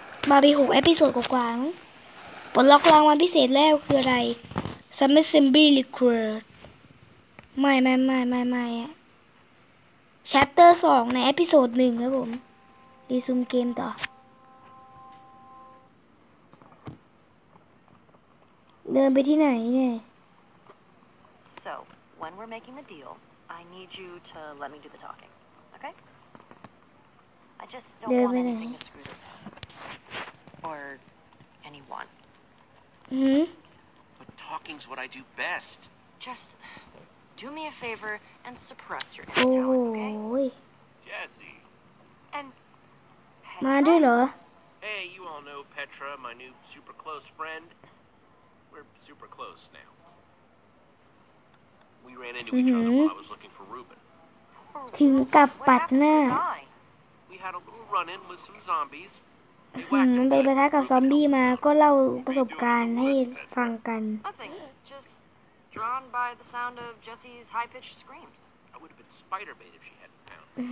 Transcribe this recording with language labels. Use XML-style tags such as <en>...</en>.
<th>มาไป6เอพิโซดกว่าๆปลดล็อกรางวัลพิเศษแล้วคืออะไรซัมเมอร์ซิมบี้รีเควิร์ดไม่อะแชปเตอร์2ในเอพิโซด1ครับผมรีซูมเกมต่อเดินไปที่ไหนเนี่ย</th> <en>So when we're making the deal I need you to let me do the talking okay I just don't want anything to screw this up or anyone But talking's what I do best just do me a favor and suppress your talent okay Jesse and</en> <th>มาด้วยเหรอ</th> <en>Hey you all know Petra my new super close friendSuper close now. We ran into each other while I was looking for Ruben.</en> <th>ถึงกับปัดหน้า</th> <en>We had a little run-in with some zombies.</en> <th>ไปประทะกับซอมบี้มาก็เล่าประสบการณ์ให้ฟังกัน</th> <en>Just drawn by the sound of Jessie's high-pitched screams. I would have been spider-bait if she hadn't found.</en>